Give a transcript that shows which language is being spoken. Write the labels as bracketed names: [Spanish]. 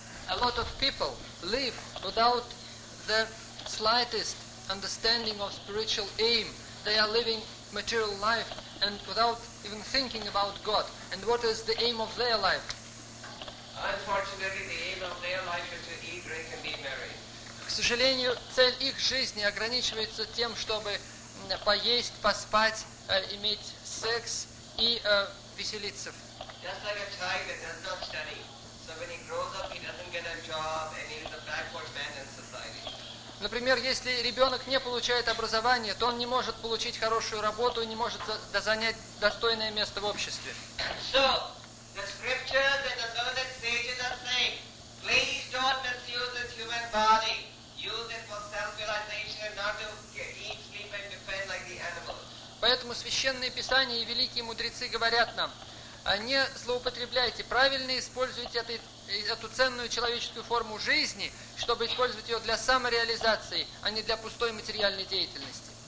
[English] A lot of people live without the slightest understanding of spiritual aim. They are living material life and without even thinking about God. And what is the aim of their life? Unfortunately, the aim of their life is to eat, drink, and be merry. [Russian] К сожалению, цель их жизни ограничивается тем, чтобы поесть, поспать, иметь секс и веселиться. [English] Just like a child that does not study. So when he grows up, he doesn't get a job and he is a backward man in society. [Russian] Например, если ребенок не получает образование, то он не может получить хорошую работу и не может занять достойное место в обществе. [English] So, the scriptures and the learned sages are saying, please don't misuse this human body. Use it for self-realization and not to eat, sleep and defend like the animals. [Russian] Поэтому священные писания и великие мудрецы говорят нам, не злоупотребляйте, правильно используйте эту ценную человеческую форму жизни, чтобы использовать ее для самореализации, а не для пустой материальной деятельности.